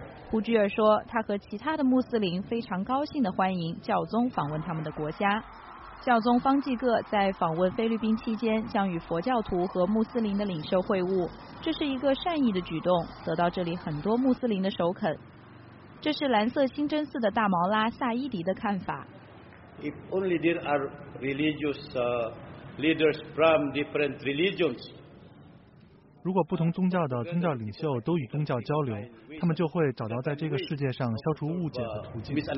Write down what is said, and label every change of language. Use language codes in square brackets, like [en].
[zh] 胡居尔说，他和其他的穆斯林非常高兴地欢迎教宗访问他们的国家。教宗方济各在访问菲律宾期间将与佛教徒和穆斯林的领袖会晤，这是一个善意的举动，得到这里很多穆斯林的首肯。这是蓝色清真寺的大毛拉萨伊迪的看法。 [en] If only there are religious leaders from different religions. [zh] 如果不同宗教的宗教领袖都与宗教交流，他们就会找到在这个世界上消除误解的途径。